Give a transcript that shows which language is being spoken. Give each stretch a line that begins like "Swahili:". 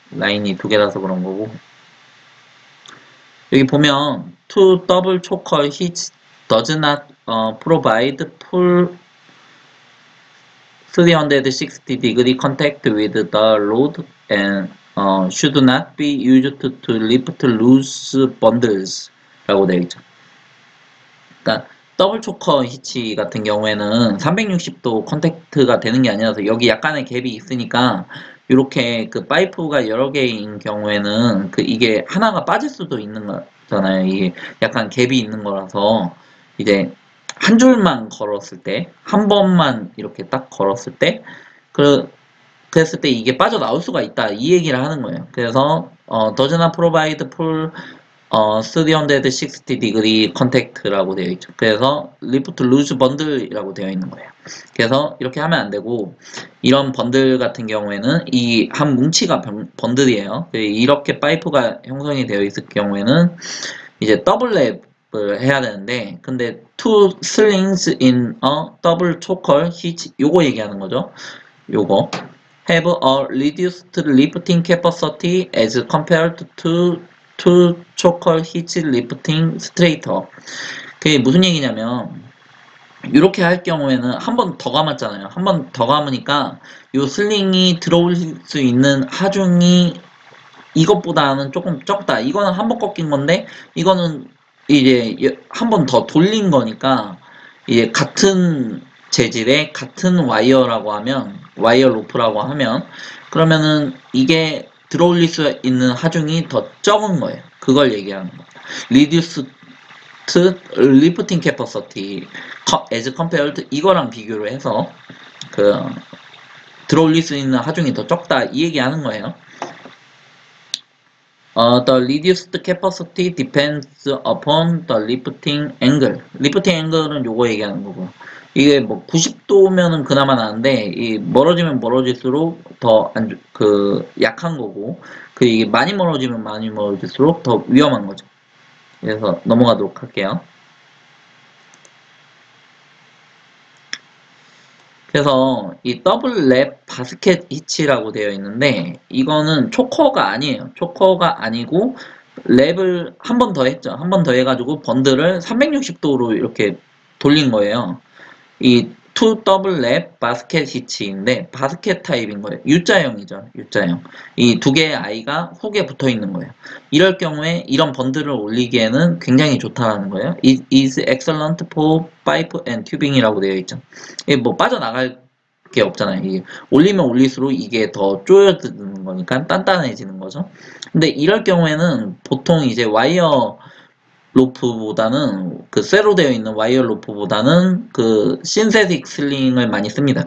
Korean: 라인이 두 개라서 그런 거고, 여기 보면 투 더블 초커 히치 does not provide full 360 degree contact with the load and
English: should not be used to lift loose bundles 라고 되어 있죠.
Korean: 그러니까 더블 초커 히치 같은 경우에는 360도 컨택트가 되는 게 아니라서 여기 약간의 갭이 있으니까 이렇게 그 파이프가 여러 개인 경우에는 그 이게 하나가 빠질 수도 있는 거잖아요. 이게 약간 갭이 있는 거라서 이제 한 줄만 걸었을 때, 한 번만 이렇게 딱 걸었을 때, 그랬을 때 이게 빠져나올 수가 있다. 이 얘기를 하는 거예요. 그래서, does not provide full 360 degree contact 라고 되어 있죠. 그래서 lift loose bundle 이라고 되어 있는 거예요. 그래서 이렇게 하면 안 되고, 이런 번들 같은 경우에는 이한 뭉치가 번들이에요. 이렇게 파이프가 형성이 되어 있을 경우에는 이제 double lap 해야 되는데, 근데 two slings in a double choker hitch 요거 얘기하는 거죠.
English: 요거 have a reduced lifting capacity as compared to two choker hitch lifting straighter.
Korean: 그게 무슨 얘기냐면 이렇게 할 경우에는 한번더 감았잖아요. 한번더 감으니까 요 슬링이 들어올 수 있는 하중이 이것보다는 조금 적다. 이거는 한번 꺾인 건데 이거는 이제 한번더 돌린 거니까 이제 같은 재질의 같은 와이어라고 하면 와이어 로프라고 하면 그러면은 이게 들어올릴 수 있는 하중이 더 적은 거예요. 그걸 얘기하는 거예요. Reduced lifting capacity as compared 이거랑 비교를 해서 들어올릴 수 있는 하중이 더 적다 이 얘기하는 거예요.
English: The reduced capacity depends upon the lifting angle.
Korean: Lifting angle은 요거 얘기하는 거고요. 이게 뭐 90도면은 그나마 나은데, 이 멀어지면 멀어질수록 더 안, 그, 약한 거고, 그 이게 많이 멀어지면 많이 멀어질수록 더 위험한 거죠. 그래서 넘어가도록 할게요. 그래서 이 더블 랩 바스켓 히치라고 되어 있는데 이거는 초커가 아니에요. 초커가 아니고 랩을 한번더 했죠. 한번더 해가지고 번들을 360도로 이렇게 돌린 거예요. 이투 더블 랩 바스켓 히치인데 바스켓 타입인 거예요. U자형이죠. U자형. 이두 개의 아이가 훅에 붙어 있는 거예요. 이럴 경우에 이런 번들을 올리기에는 굉장히 좋다라는 거예요.
English: It is excellent for pipe and tubing 이라고 되어 있죠.
Korean: 이게 뭐 빠져나갈 게 없잖아요. 이게 올리면 올릴수록 이게 더 조여드는 거니까 단단해지는 거죠. 근데 이럴 경우에는 보통 이제 와이어 로프보다는 그 쇠로 되어 있는 와이어 로프보다는 그 신세틱 슬링을 많이 씁니다.